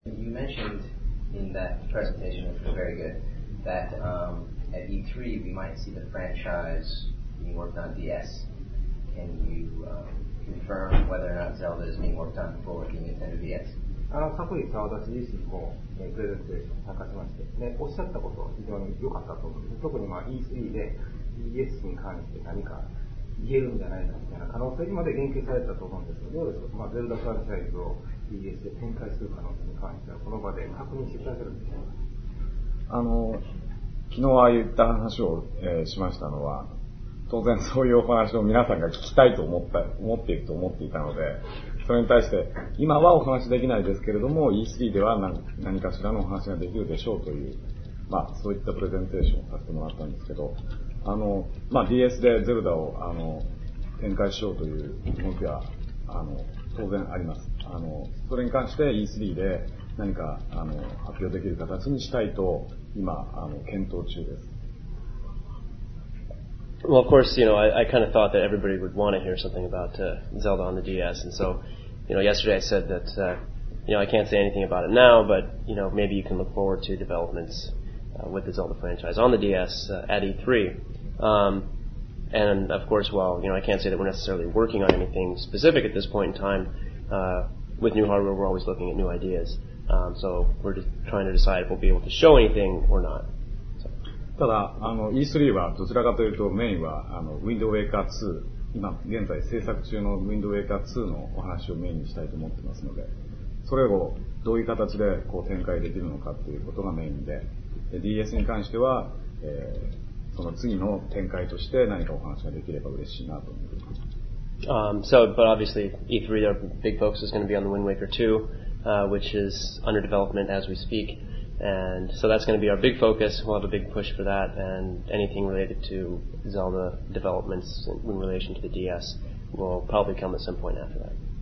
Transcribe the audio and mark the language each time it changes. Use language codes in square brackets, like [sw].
[en] mentioned in that presentation, which was very good, that at E3 we might see the franchise being worked on DS. Can you confirm whether or not Zelda is being worked on for the Nintendo DS? [ja] 昨日、澤田知事もプレゼンテーションに参加しまして、ね、おっしゃったことは非常に良かったと思うんです。特に、まあ、E3 で DS に関して何か言えるんじゃないかみたいな可能性にまで言及されたと思うんですが、どうでしょう、まあ、ゼルダフランチャイズを DS で展開する可能性に関してはこの場で確認していただけるんでしょうか。昨日は言った話を、しましたのは、当然そういうお話を皆さんが聞きたいと思っていたので、それに対して今はお話できないですけれども E3 では 何かしらのお話ができるでしょうという、まあ、そういったプレゼンテーションをさせてもらったんですけど、まあ、DS でゼルダを展開しようという動きは当然あります。それに関して E3 で何か発表できる形にしたいと今検討中です。 [en] Well, of course, you know, I kind of thought that everybody would want to hear something about Zelda on the DS. And so, you know, yesterday I said that, you know, I can't say anything about it now, but, you know, maybe you can look forward to developments with the Zelda franchise on the DS at E3. And, of course, while, you know, I can't say that we're necessarily working on anything specific at this point in time, with new hardware, we're always looking at new ideas. So we're just trying to decide if we'll be able to show anything or not. [ja] ただ、E3 はどちらかというとメインは、Wind Waker 2、今現在制作中の Wind Waker 2のお話をメインにしたいと思ってますので、それをどういう形でこう展開できるのかということがメイン で、DS に関しては、その次の展開として何かお話ができれば嬉しいなと思います。 [en] So, but obviously E3, their big focus is going to be on the Wind Waker 2,which is under development as we speak. And so that's going to be our big focus. We'll have a big push for that, and anything related to Zelda developments in relation to the DS will probably come at some point after that.